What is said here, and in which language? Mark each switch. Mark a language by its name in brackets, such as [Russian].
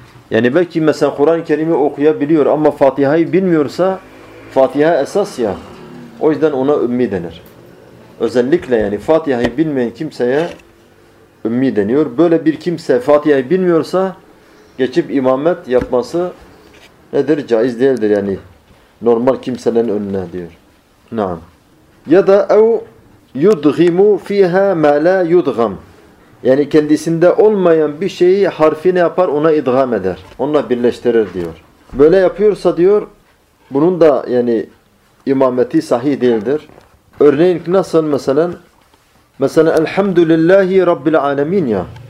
[Turkish] Yani belki mesela Kur'an-ı Kerim'i okuyabiliyor ama Fatiha'yı bilmiyorsa Fatiha esas ya. O yüzden ona ümmi denir. Özellikle yani Fatiha'yı bilmeyen kimseye ümmi deniyor. Böyle bir kimse Fatiha'yı bilmiyorsa geçip imamet yapması nedir? Caiz değildir yani. Normal kimselerin önüne diyor. [Arabic] Naam. [Turkish] Ya da [Arabic] اَوْ يُدْغِمُ ف۪يهَا مَا لَا يُدْغَمْ [Turkish] Yani kendisinde olmayan bir şeyi harfine yapar, ona idgam eder. Onunla birleştirir diyor. Böyle yapıyorsa diyor, bunun da yani imameti sahih değildir. Örneğin nasıl mesela elhamdülillahi rabbil alemin ya.